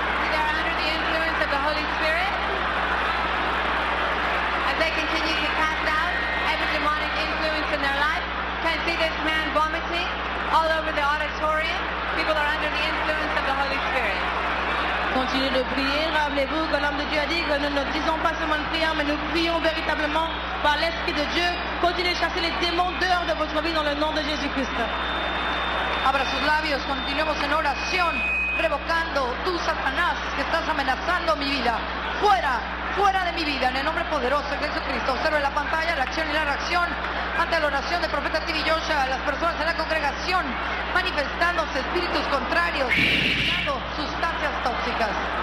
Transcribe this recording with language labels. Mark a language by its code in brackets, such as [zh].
[en] They are under the influence of the Holy Spirit. They continue to cast out every demonic influence in their life. Can see this man vomiting all over the auditorium. People are under the influence of the Holy Spirit. [fr] Continuez de prier. Rappelez-vous que l'homme de Dieu a dit que nous ne disons pas seulement de prière, mais nous prions véritablement par l'Esprit de Dieu. Continuez de chasser les démons dehors de votre vie dans le nom de Jésus-Christ. [es] Abra sus labios. Continuemos en oración. revocando tú, Satanás, que estás amenazando mi vida. Fuera, fuera de mi vida, en el nombre poderoso de Jesucristo. Observe la pantalla, la acción y la reacción ante la oración de profeta TV Yosha, las personas en la congregación manifestándose espíritus contrarios, sustancias tóxicas.